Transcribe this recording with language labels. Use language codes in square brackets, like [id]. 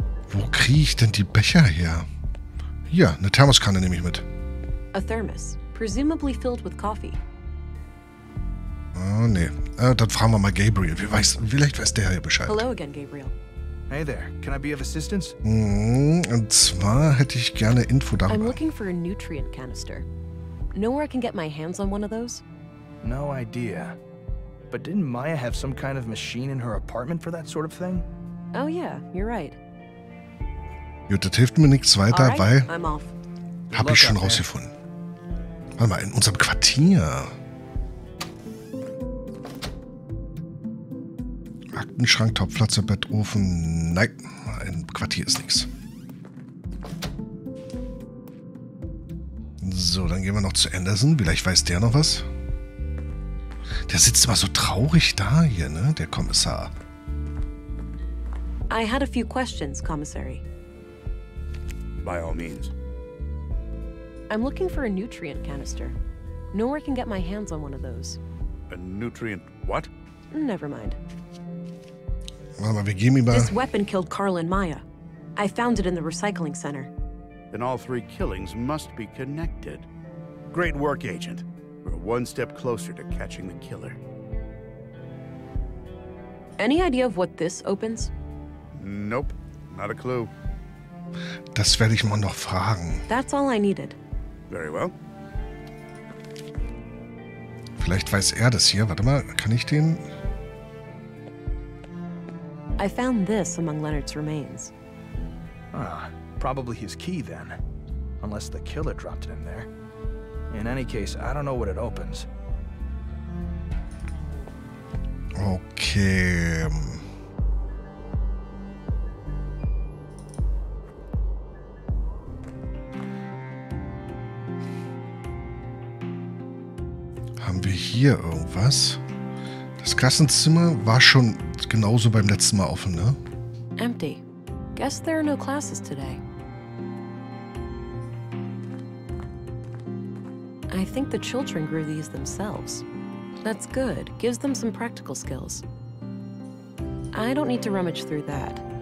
[de] Wo kriege ich denn die Becher her? Hier, eine Thermoskanne nehme ich mit. [en] A thermos, presumably filled with coffee. [de] Oh, nee. Dann fragen wir mal Gabriel. Vielleicht weiß der hier Bescheid. [en] Hello again, Gabriel. Hey there. Can I be of assistance? [de] Und zwar hätte ich gerne Info darüber. [en] I'm looking for a nutrient canister. Know where I can get my hands on one of those? No idea. But didn't Maya have some kind of machine in her apartment for that sort of thing? Oh yeah, you're right. [de] Jut, das hilft mir nichts weiter, weil habe ich schon rausgefunden. Warte mal, in unserem Quartier. Aktenschrank, Topflatze, Bettofen. Nein, im Quartier ist nichts. So, dann gehen wir noch zu Anderson. Vielleicht weiß der noch was. Der sitzt immer so traurig da hier, ne? Der Kommissar. [en] I had a few questions, Commissary. By all means. I'm looking for a nutrient canister. Nowhere can get my hands on one of those. A nutrient what? Never mind. [de] Warte mal, wir geben ihm mal. [en] This weapon killed Carl and Maya. I found it in the recycling center. Then all three killings must be connected. Great work, Agent. We're one step closer to catching the killer. Any idea of what this opens? Nope, not a clue. [de] Das werde ich mal noch fragen. [en] That's all I needed. Very well. [de] Vielleicht weiß er das hier. Warte mal, kann ich den? [en] I found this among Leonard's remains. Ah, probably his key then. Unless the killer dropped it in there. In any case, I don't know what it opens. Okay. Thank you. [de] Haben wir hier irgendwas? Das Klassenzimmer war schon genauso beim letzten Mal offen, ne? [en] Empty. Guess there are no classes today. I think the children grew these themselves. That's good. Gives them some practical skills. I don't need to rummage through that.